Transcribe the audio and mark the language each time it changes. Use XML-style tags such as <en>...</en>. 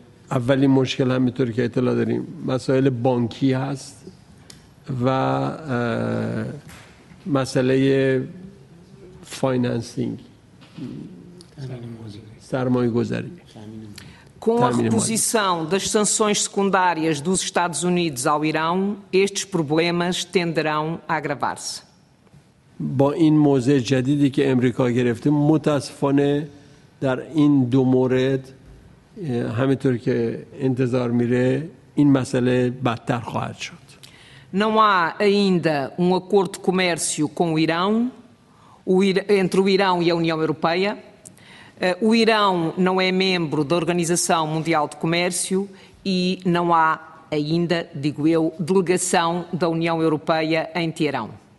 <fa>اولین مشکل همینطور که اطلاع داریم مسائل بانکی هست و مسئله فایننسینگ سرمایه گذاری.</fa> <pt>Com a reposição das sanções secundárias dos Estados Unidos ao Irão, estes problemas tenderão a agravar-se.</pt> <fa>با این موضع جدیدی که امریکا گرفته متاسفانه در این دو مورد همینطور که انتظار میره این مسئله بدتر خواهد شد.</fa> <pt>Não há ainda acordo de comércio com o Irão, entre o Irão e a União Europeia. O Irão não é membro da Organização Mundial de Comércio e não há ainda, digo eu, delegação da União Europeia em Teherão.</pt>